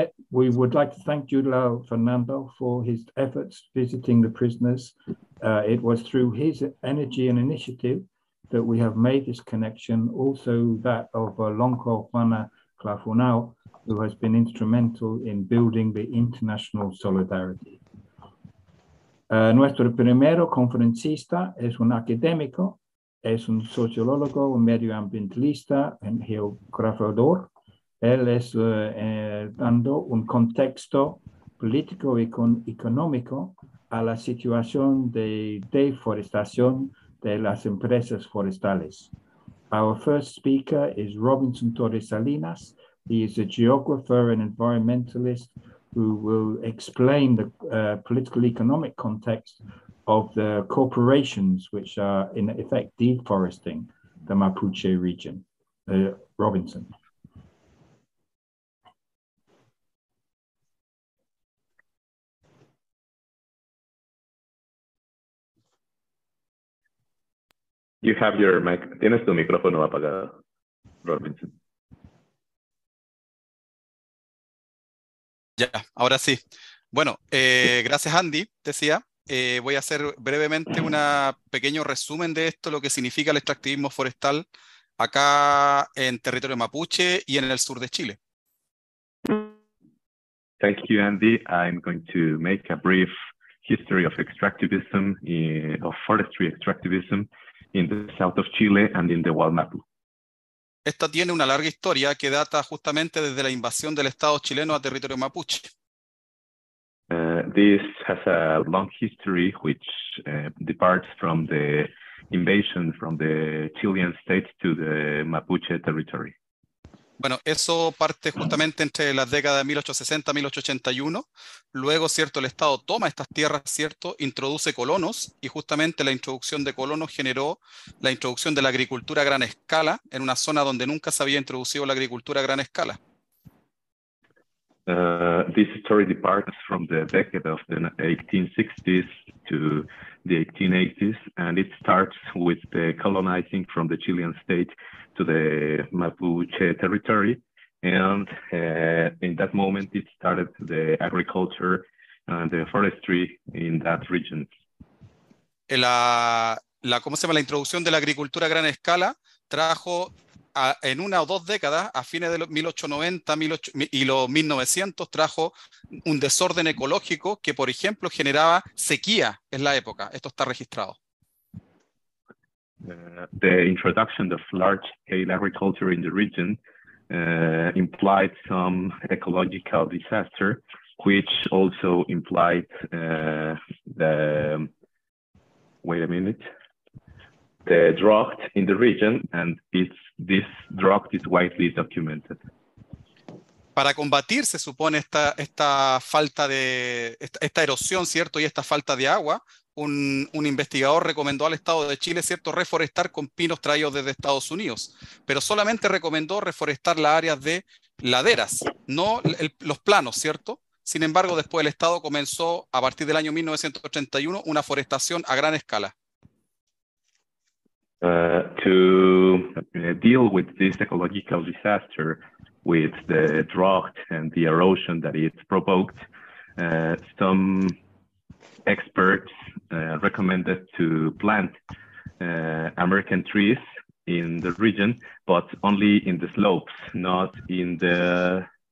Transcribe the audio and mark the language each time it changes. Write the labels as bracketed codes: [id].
[en] We would like to thank Yudlal Fernando for his efforts visiting the prisoners. It was through his energy and initiative that we have made this connection, also that of Lonco Juana Clafunau, who has been instrumental in building the international solidarity. [es] Nuestro primero conferencista es un académico, es un sociólogo, un medioambientalista, un geografador. Él es dando un contexto político y económico a la situación de deforestación de las empresas forestales. [en] Our first speaker is Robinson Torres Salinas. He is a geographer and environmentalist who will explain the political economic context of the corporations which are in effect deforesting the Mapuche region. Robinson. You have your mic. Tienes tu micrófono apagado, Robinson. [es] Ya, ahora sí. Bueno, gracias Andy, decía. Voy a hacer brevemente un pequeño resumen de esto, lo que significa el extractivismo forestal acá en territorio mapuche y en el sur de Chile. [en] Thank you, Andy. I'm going to make a brief history of extractivism, of forestry extractivism in the south of Chile and in the Walmapu. [es] Esta tiene una larga historia que data justamente desde la invasión del Estado chileno a territorio mapuche. [en] This has a long history which departs from the invasion from the Chilean state to the Mapuche territory. [es] Bueno, eso parte justamente entre las décadas de 1860 y 1881. Luego, cierto, el Estado toma estas tierras, cierto, introduce colonos y justamente la introducción de colonos generó la introducción de la agricultura a gran escala en una zona donde nunca se había introducido la agricultura a gran escala. [en] This story departs from the decade of the 1860s to the 1880s and it starts with the colonizing from the Chilean state to the Mapuche territory, and in that moment it started the agriculture and the forestry in that region. [es] La ¿cómo se llama? La introducción de la agricultura a gran escala trajo en una o dos décadas, a fines de los 1890 y los 1900, trajo un desorden ecológico que, por ejemplo, generaba sequía en la época. Esto está registrado. [en] The introduction of large-scale agriculture in the region implied some ecological disaster, which also implied the... Wait a minute. the drought in the region, and this drought is widely documented. [es] Para combatir, se supone, esta falta de esta erosión, ¿cierto? Y esta falta de agua, un investigador recomendó al Estado de Chile, ¿cierto?, reforestar con pinos traídos desde Estados Unidos, pero solamente recomendó reforestar las áreas de laderas, no los planos, ¿cierto? Sin embargo, después el Estado comenzó, a partir del año 1981, una forestación a gran escala. [en] To deal with this ecological disaster, with the drought and the erosion that it provoked, some experts recommended to plant American trees in the region, but only in the slopes, not in the...